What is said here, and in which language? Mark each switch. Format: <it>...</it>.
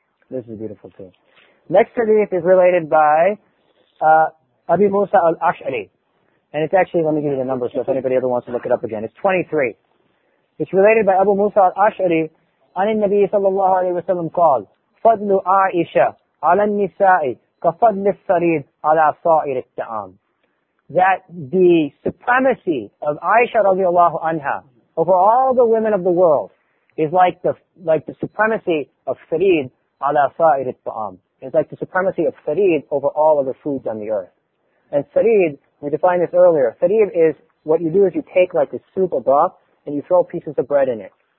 <en>This is beautiful too. Next hadith is related by Abi Musa al-Ash'ari. And it's actually, let me give you the number so if anybody ever wants to look it up again. It's 23. It's related by Abu Musa al-Ash'ari.</en> <ar>عن النبي صلى الله عليه وسلم قال فضل عائشة على النساء كفضل الثريد على صائر الطعام.</ar> <en>That the supremacy of Aisha</en> <ar>رضي الله عنها</ar> <en>over all the women of the world is like the supremacy of</en> <ar>ثريد على صائر الطعام.</ar> <en>It's like the supremacy of ثريد over all of the foods on the earth. And ثريد, we defined this earlier, ثريد is what you do is you take like a soup or broth and you throw pieces of bread in it.</en>